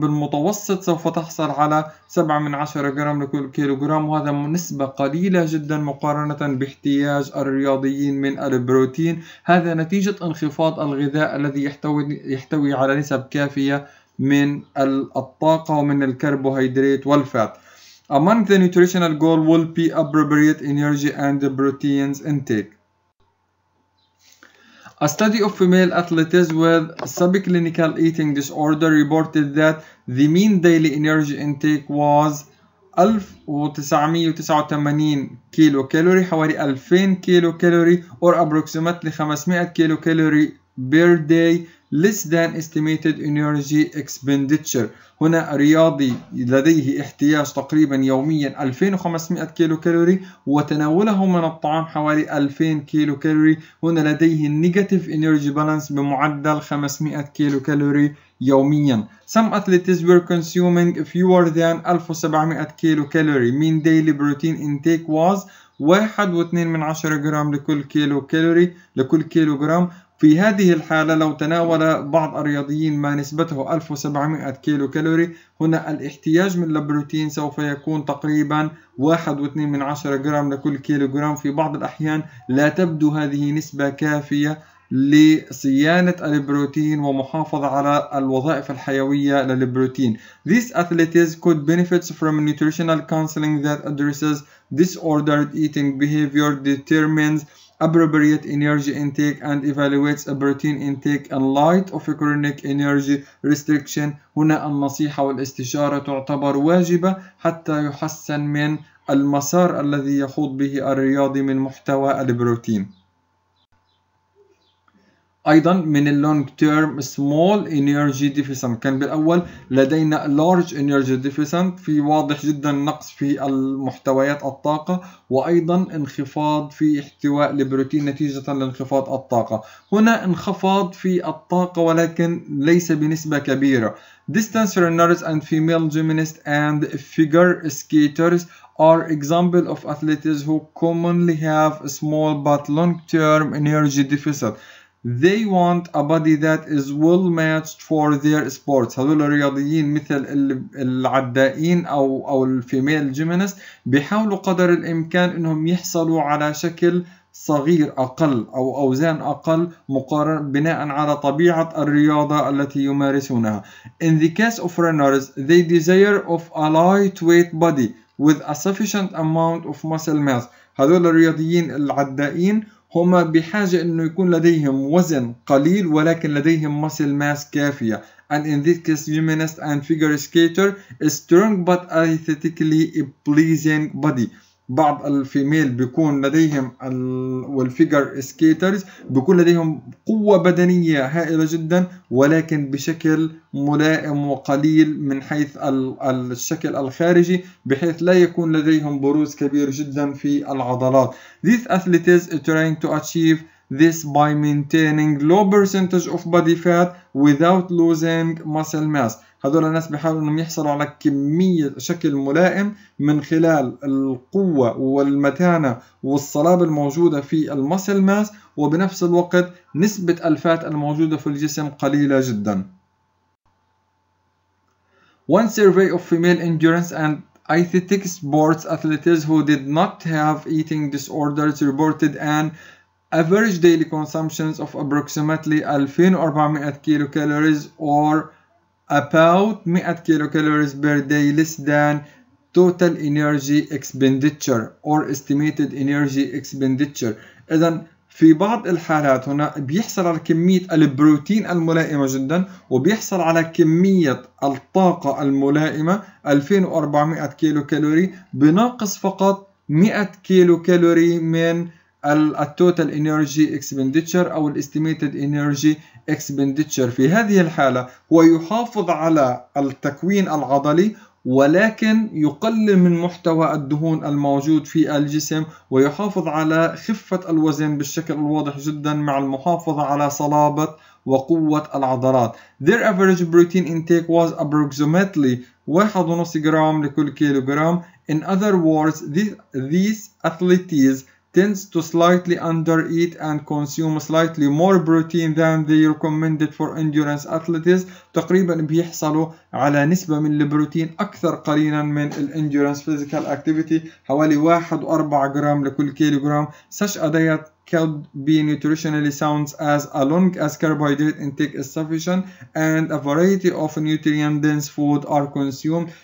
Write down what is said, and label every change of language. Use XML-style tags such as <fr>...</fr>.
<ar>بالمتوسط سوف تحصل على 7 من 10 جرام لكل كيلوغرام وهذا نسبة قليلة جدا مقارنة باحتياج الرياضيين من البروتين. هذا نتيجة انخفاض الغذاء الذي يحتوي على نسب كافية من الطاقة ومن الكربوهيدرات والفات.</ar> <en>Among the nutritional goal will be appropriate energy and proteins intake. A study of female athletes with subclinical eating disorder reported that the mean daily energy intake was 1989</en> <ar>كيلو كالوري حوالي 2000 كيلو كالوري</ar> <en>or approximately 500 kilo calorie per day less than estimated energy expenditure.</en> <ar>هنا رياضي لديه احتياج تقريبا يوميا 2500 كيلو كالوري وتناوله من الطعام حوالي 2000 كيلو كالوري. هنا لديه</ar> <en>negative energy balance</en> <ar>بمعدل 500 كيلو كالوري يوميا.</ar> <en>Some athletes were consuming fewer than 1700 kilo calorie. Mean daily protein intake was 1.2</en> <ar>جرام لكل كيلو كالوري لكل كيلو جرام. في هذه الحالة لو تناول بعض الرياضيين ما نسبته 1700 كيلو كالوري هنا الاحتياج من البروتين سوف يكون تقريبا 1.2 جرام لكل كيلو جرام. في بعض الأحيان لا تبدو هذه نسبة كافية لصيانة البروتين ومحافظة على الوظائف الحيوية للبروتين.</ar> <en>These athletes could benefit from nutritional counseling that addresses disordered eating behavior, determines appropriate energy intake and evaluates a protein intake in light of a chronic energy restriction.</en> <ar>هنا النصيحة والاستشارة تعتبر واجبة حتى يحسن من المسار الذي يخوض به الرياضي من محتوى البروتين. أيضا من</ar> <en>long term small energy deficient.</en> <ar>كان بالأول لدينا</ar> <en>large energy deficient</en> <ar>في واضح جدا نقص في المحتويات الطاقة وأيضا انخفاض في احتواء البروتين نتيجة لانخفاض الطاقة. هنا انخفاض في الطاقة ولكن ليس بنسبة كبيرة.</ar> <en>Distance runners and female gymnasts and figure skaters are example of athletes who commonly have small but long term energy deficient. They want a body that is well matched for their sports.</en> <ar>هذول الرياضيين مثل العدائين أو</ar> <en>الفيميل جيمنست</en> <ar>بيحاولوا قدر الإمكان أنهم يحصلوا على شكل صغير أقل أو أوزان أقل مقارنة بناء على طبيعة الرياضة التي يمارسونها.</ar> <en>In the case of runners, they desire of a lightweight body with a sufficient amount of muscle mass.</en> <ar>هذول الرياضيين العدائين هما بحاجة إنه يكون لديهم وزن قليل ولكن لديهم muscle mass كافية.</ar> <en>And in this case, gymnast and figure skater is strong but aesthetically pleasing body.</en> <ar>بعض الفيميل بيكون لديهم</ar> <en>والفيجر سكيترز</en> <ar>بيكون لديهم قوة بدنية هائلة جدا ولكن بشكل ملائم وقليل من حيث الشكل الخارجي بحيث لا يكون لديهم بروز كبير جدا في العضلات.</ar> <en>These athletes are trying to achieve this by maintaining low percentage of body fat without losing muscle mass.</en> <ar>هذول الناس بيحاولوا انهم يحصلوا على كمية شكل ملائم من خلال القوة والمتانة والصلابة الموجودة في المسل ماس وبنفس الوقت نسبة الفات الموجودة في الجسم قليلة جدا.</ar> <en>One survey of female endurance and athletic sports athletes who did not have eating disorders reported an average daily consumption of approximately 2400 kilocalories or about 100 kilocalories per day less than total energy expenditure or estimated energy expenditure.</en> <ar>اذا في بعض الحالات هنا بيحصل على كمية البروتين الملائمة جدا وبيحصل على كمية الطاقة الملائمة 2400 كيلوكالوري بناقص فقط 100 كيلوكالوري من</ar> <en>التوتال energy expenditure</en> <ar>او</ar> <en>الاستيميتد energy expenditure.</en> <ar>في هذه الحاله هو يحافظ على التكوين العضلي ولكن يقلل من محتوى الدهون الموجود في الجسم ويحافظ على خفه الوزن بالشكل الواضح جدا مع المحافظه على صلابه وقوه العضلات.</ar> <en>Their average protein intake was approximately 1.5</en> <ar>جرام لكل كيلوغرام.</ar> <en>In other words, these athletes tends to slightly under-eat and consume slightly more protein than they recommended for endurance athletes.</en> <ar>تقريبا بيحصلوا على نسبة من البروتين أكثر قليلا من</ar> <en>الاندورنس physical activity</en> <ar>حوالي 1.4 جرام لكل كيلوغرام.</ar> <en>Such a diet could be nutritionally sound as long as carbohydrate intake is sufficient and a variety of nutrient-dense food are consumed.</en>